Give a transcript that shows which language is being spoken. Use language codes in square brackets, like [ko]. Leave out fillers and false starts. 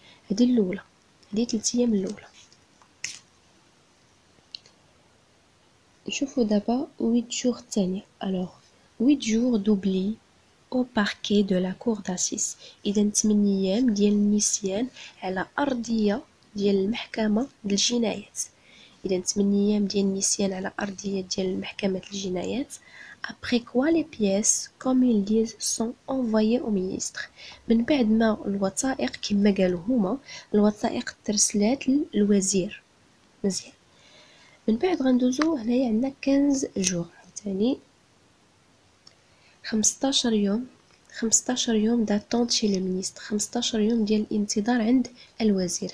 [ar] هذه الاولى، هذه 3 ايام الاولى. نشوفوا دابا 8 جور الثانيه. [fr] alors 8 jours d'oubli au parquet de la cour d'assises. [ar] اذا 8 ايام ديال النسيان على ارضيه ديال المحكمه ديال الجنايات. اذا 8 ايام ديال النسيان على ارضيه ديال محكمه الجنايات. [fr] après quoi les pièces comme ils disent sont envoyées au ministre. [ar] من بعد ما الوثائق كما قالوا هما الوثائق ترسلات للوزير. مزيان. من بعد غندوزو هنايا عندنا 15 جور ثاني 15 يوم. 15 يوم [fr] داتونت شي لو مينيستر. [ar] 15 يوم ديال الانتظار عند الوزير.